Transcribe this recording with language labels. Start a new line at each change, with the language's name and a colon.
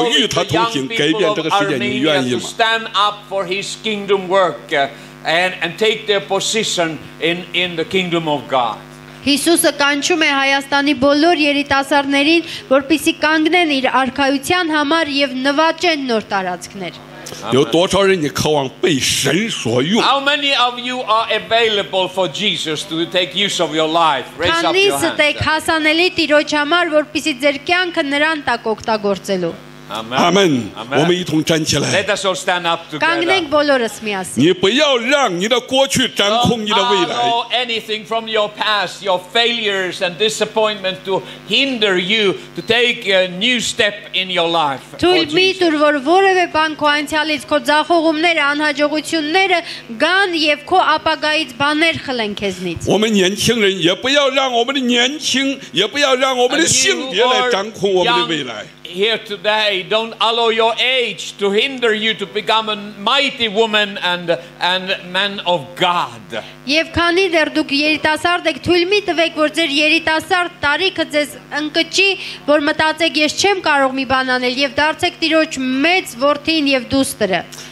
Chinese: 阿曼尼亚教会要起来，要与他同行，改变这个世界，你愿意吗？
English: Stand up for his kingdom work and take their position in the kingdom of God.
Armenian: Հիսուսը կանչում է Հայաստանի բոլոր երիտասարդներին, որպեսզի կանգնեն իր արքայության համար եւ նվաճեն նոր տարածքներ։
Chinese: 有多少人你渴望被神所用？
English: How many of you are available for Jesus to take use of your life? Raise up your hand.
Armenian: Քանի՞ս եք հասանելի տիրոջ համար, որպեսզի ձեր կյանքը նրան տակ օգտագործելու։
English: Amen. Amen. Amen. Let us all stand up together.
Chinese: 你不要让你的过去掌控你的未来。
English: Don't allow anything from your past, your failures and disappointments to hinder you to take a new step in your life.
Armenian: Թույլ մի տուր, որ որևէ բան քո անցյալից, քո ձախողումները, անհաջողությունները գան եւ քո ապագայից բաներ խլեն քեզնից։
Chinese: 我们年轻人也不要让我们的年轻，也不要让我们的性别来掌控我们的未来。
English: Here today, don't allow your age to hinder you to become a mighty woman and man of God.
Armenian: Եվ քանի դեռ դուք երիտասարդ եք, թույլ մի տվեք, որ ձեր երիտասարդ տարիքը ձեզ ընկճի, որ մտածեք, ես չեմ կարող մի բան անել, եւ դարձեք տիրոջ մեծ որդին եւ դուստրը։